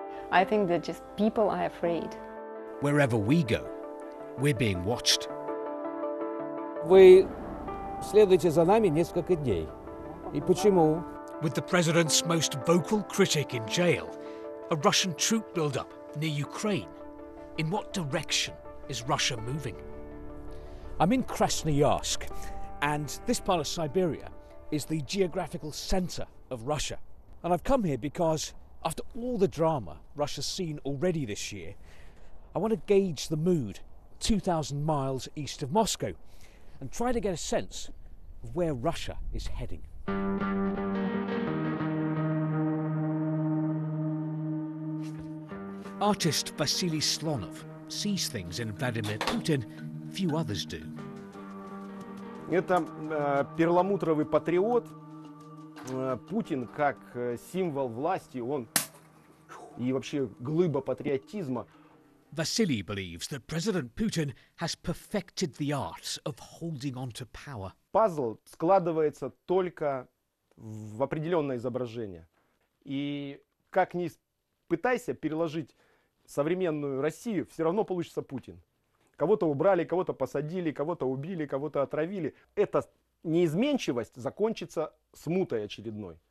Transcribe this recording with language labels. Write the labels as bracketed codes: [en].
[en] I think that just people are afraid. Wherever we go, we're being watched. [ru] Вы следуете за нами несколько дней. И почему? [en] With the president's most vocal critic in jail, a Russian troop buildup near Ukraine. In what direction is Russia moving? I'm in Krasnoyarsk, and this part of Siberia is the geographical center of Russia. And I've come here because after all the drama Russia's seen already this year, I want to gauge the mood 2,000 miles east of Moscow and try to get a sense of where Russia is heading. Artist Vasily Slonov sees things in Vladimir Putin few others do. [ru] Это перламутровый патриот. Путин как символ власти, он и вообще глыба патриотизма. [en] Vasily believes that President Putin has perfected the art of holding on to power. [ru] Пазл складывается только в определенное изображение. И как ни пытайся переложить современную Россию, все равно получится Путин. Кого-то убрали, кого-то посадили, кого-то убили, кого-то отравили. Это неизменчивость закончится смутой очередной.